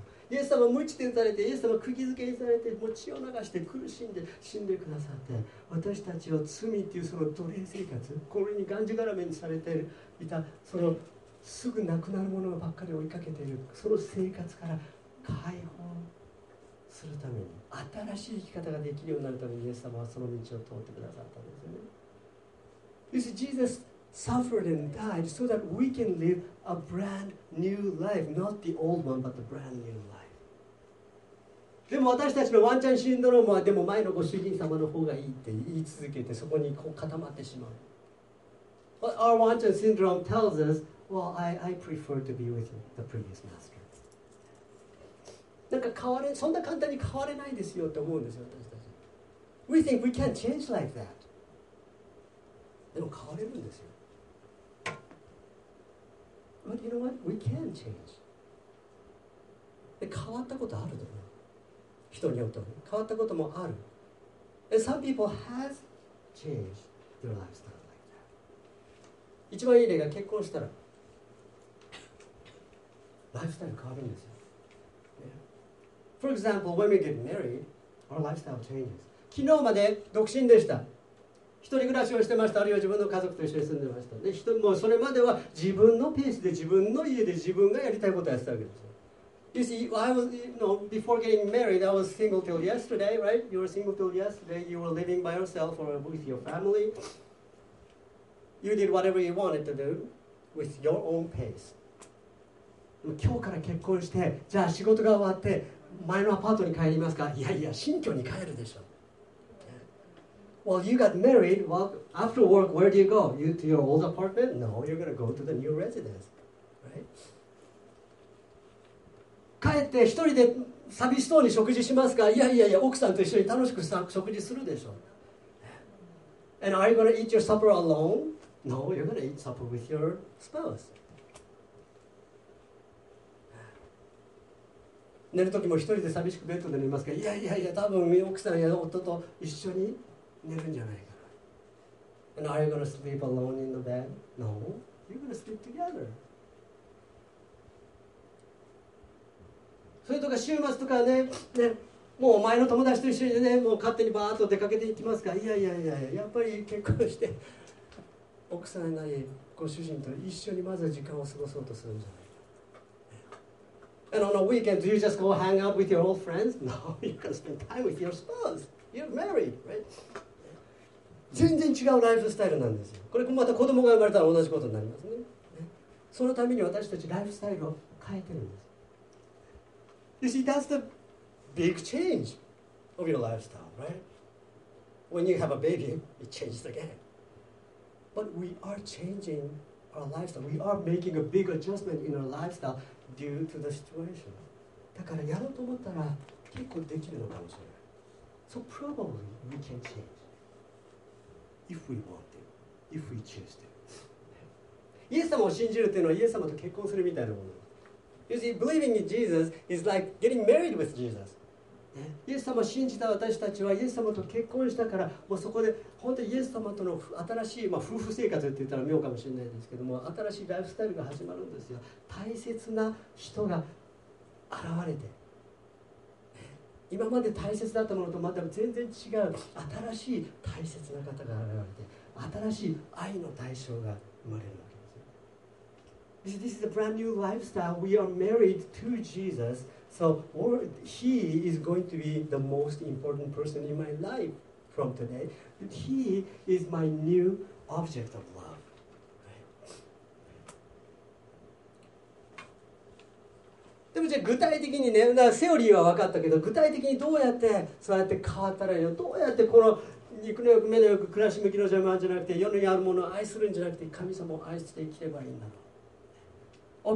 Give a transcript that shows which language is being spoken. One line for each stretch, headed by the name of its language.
Japanese: イエス様は無知でされて、イエス様は釘付けにされて、もう血を流して苦しんで死んでくださって、私たちを罪っていうその奴隷生活、これにがんじがらめにされていた、そのすぐ亡くなるものばっかり追いかけている、その生活から解放するために、新しい生き方ができるようになるために、イエス様はその道を通ってくださったんですよね。
English: You see, Jesus suffered and died so that we can live a brand new life, not the old one, but the brand new life.
Japanese: でも私たちのワンチャンシンドロームは、でも前のご主人様の方がいいって言い続けて、そこにこう固まってしまう。
English: But our ワンチャンシンドローム tells us, well, I prefer to be with the previous master.
Japanese: なんか変われ、そんな簡単に変われないですよって思うんですよ、私たち。
English: We think we can't change like that.
Japanese: でも変われるんですよ。
English: But you know what? We can change.
Japanese: で変わったことあると思う。人によって変わったこともある。
English: And some people has changed their lifestyle like that.
Japanese: 一番いい例が結婚したら、ライフスタイル変わるんですよ。
English: Yeah. For example, when we get married, our lifestyle changes.
Japanese: 昨日まで独身でした。一人暮らしをしてました。あるいは自分の家族と一緒に住んでました。で、人もうそれまでは自分のペースで自分の家で自分がやりたいことをやってたわけです。
English: You see, I was, you know, before getting married, I was single till yesterday, right? You were single till yesterday. You were living by yourself or with your family. You did whatever you wanted to do with your own pace.
Japanese: 今日から結婚して、じゃあ仕事が終わって前のアパートに帰りますか？いやいや、新居に帰るでしょ。
English: Well, you got married. Well, after work, where do you go? You to your old apartment? No, you're going to go to the new residence, right?
Japanese: 帰って一人で寂しそうに食事しますか？いやいやいや、奥さんと一緒に楽しく食事するでしょう。
English: And are you going to eat your supper alone? No, you're going to eat supper with your spouse.
Japanese: 寝るときも一人で寂しくベッドで寝ますか？いやいやいや、多分奥さんや夫と一緒に寝るんじゃないかな。
English: And are you going to sleep alone in the bed? No, you're going to sleep together.
Japanese: それとか週末とか ね、もう前の友達と一緒にね、もう勝手にバーッと出かけていきますか。いやいやいや、やっぱり結婚して奥さんなりご主人と一緒にまず時間を過ごそうとするんじゃないか。
English: And on a weekend, do you just go hang out with your old friends? No, you can spend time with your spouse. You're married, right?
Japanese: 全然違うライフスタイルなんですよ。これまた子供が生まれたら同じことになりますね。そのために私たちライフスタイルを変えてるんです。
English: You see, that's the big change of your lifestyle, right? When you have a baby, it changes again. But we are changing our lifestyle. We are making a big adjustment in our lifestyle due to the situation.
Japanese: だからやろうと思ったら結構できるのかもしれない。
English: So probably we can change if we want to, if we choose to.
Japanese: イエス様を信じるっていうのはイエス様と結婚するみたいなもの。
English: You see, believing in Jesus is like getting married with Jesus.
Japanese: イエス様を信じた私たちはイエス様と結婚したから、もうそこで本当にイエス様との新しい、まあ、夫婦生活って言ったら妙かもしれないですけども、新しいライフスタイルが始まるんですよ。大切な人が現れて、今まで大切だったものとまた全然違う新しい大切な方が現れて、新しい愛の対象が生まれるわけですよ。
English: This is a brand new lifestyle. We are married to Jesus. So he is going to be the most important person in my life from today. But he is my new object of love.
Japanese: でもじゃあ具体的にね、なセオリーは分かったけど、具体的にどうやってそうやって変わったらいいの、どうやってこの肉のよく目のよく暮らし向きの邪魔じゃなくて、世にあるものを愛するんじゃなくて、神様を愛していけばいいんだろう。